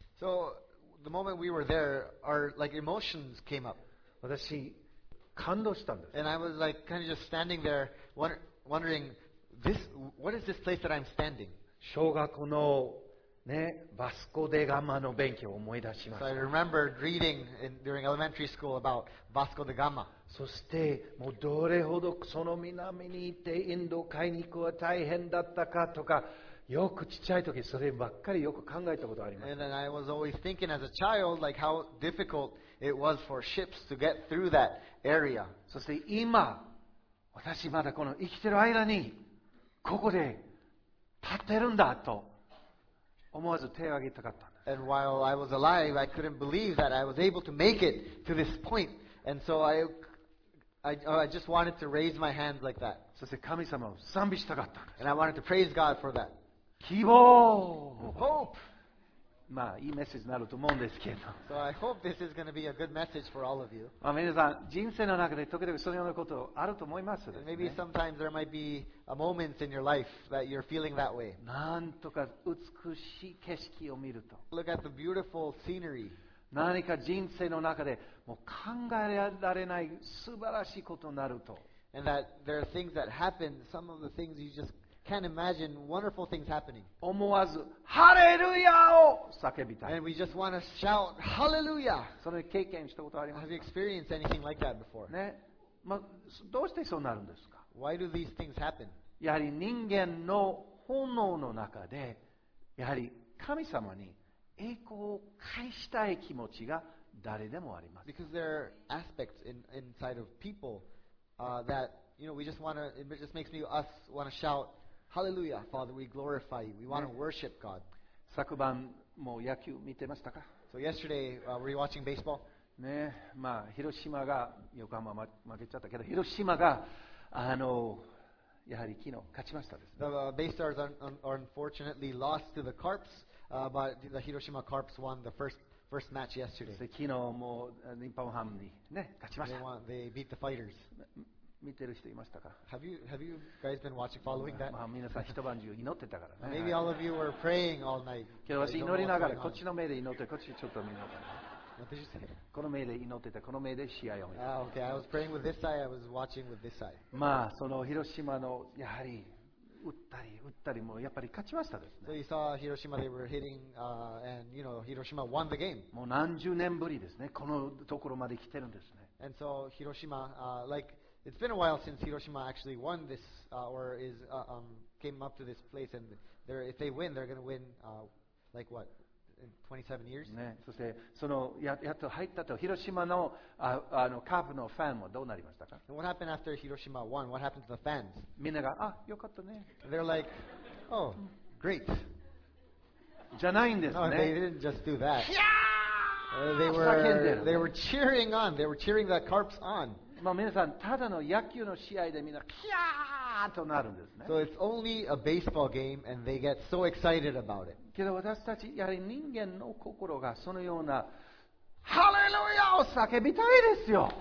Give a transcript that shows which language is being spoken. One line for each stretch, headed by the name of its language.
English: So the moment we were there, our like emotions came up.
Japanese: 私感動したんです。
English: And I was like kind of just standing there wondering. This, what is this place that I'm standing?
Japanese: 小学校の、ね、バスコデガマの勉強を思い出しました。
English: So、I remember reading in, during elementary school about Vasco da Gama.
Japanese: そしてもうどれほどその南に行ってインド海に行くは大変だったかとか、よくちっちゃい時そればっかりよく考えたことがあります。
English: And then I was always thinking as a child like how difficult it was for ships to get through that area.
Japanese: そして今私まだこの生きてる間にここで立ってるんだと思わず手を挙げたかったんです。
English: And while I was alive, I couldn't believe that I was able to make it to this point. And so I just wanted to raise my hands like that.
Japanese: そして神様を賛美したかったんです。
English: And I wanted to praise God for that.
Japanese: 希望
English: Hope!
Japanese: まあいいメッセージになると思うんですけど。
English: So I hope this is going to be a good message for all of you.
Japanese: まあ皆さん人生の中で時々そのようなことあると思いますね。
English: Maybe sometimes there might be a moment in your life that you're feeling that way.
Japanese: なんとか美しい景色を見ると。
English: Look at the beautiful scenery.
Japanese: 何か人生の中でもう考えられない素晴らしいことになると。
English: And that there are things that happen. Some of the things you just can't imagine wonderful things happening.
Japanese: 思わずハレルヤを叫びたい。
English: And we just want to shout hallelujah.
Japanese: その経験したことありますか?
English: Have you experienced anything like that before?
Japanese: ね、まあ、どうしてそうなるんですか?
English: Why do these things happen?
Japanese: やはり人間の本能の中で、やはり神様に栄光を返したい気持ちが誰でもあります。
English: Because there are aspects inside of people, that you know, we just want to. It just makes me us want to shout. Hallelujah, Father, we glorify you. We want to worship God.
Japanese: 昨晩も野球見てましたか?
English: So yesterday, were you watching baseball?
Japanese: ね、まあ広島が横浜負けちゃったけど、広島がやはり昨日勝ちましたですね。
English: The Bay Stars are unfortunately lost to the Carps, but the Hiroshima Carps won the first match yesterday.
Japanese: 昨日も日本ハムにね勝ちました。
English: They beat the Fighters.
Japanese: 見てる人いましたか?
English: Have you guys been watching, following that?
Japanese: まあ皆さん一晩中祈ってたからね。
English: Maybe all of you were praying all night.
Japanese: 今日私祈りながらこっちの目で祈って、こっちちょっと見ながら。
English: What did you say?
Japanese: この目で祈ってた、この目で試合を見た。
English: Okay, I was praying with this eye, I was watching with this eye.
Japanese: まあその広島のやはり打ったりもやっぱり勝ちましたですね。
English: So you saw Hiroshima, they were hitting, and you know, Hiroshima won the game.
Japanese: もう何十年ぶりですね、このところまで来てるんですね。
English: And so Hiroshima, likeIt's been a while since Hiroshima actually won this, or is came up to this place. And if they win, they're going to win, like what, 27 years.
Japanese: ね、そしてその やっと入ったと広島のあのカープのファンはどうなりましたか。
English: What happened after Hiroshima won? What happened to the fans?
Japanese: みんながあ、よかったね。
English: They're like, oh, great.
Japanese: じゃないんですね。
English: No, they didn't just do that. Yeah! They were cheering on. They were cheering the Carps on.
Japanese: まあ皆さんただの野球の試合でみんなキャーとなるんですね。
English: So it's only a baseball game and they get so excited about it.
Japanese: けど私たちやはり人間の心がそのようなハレルヤを叫びたいですよ。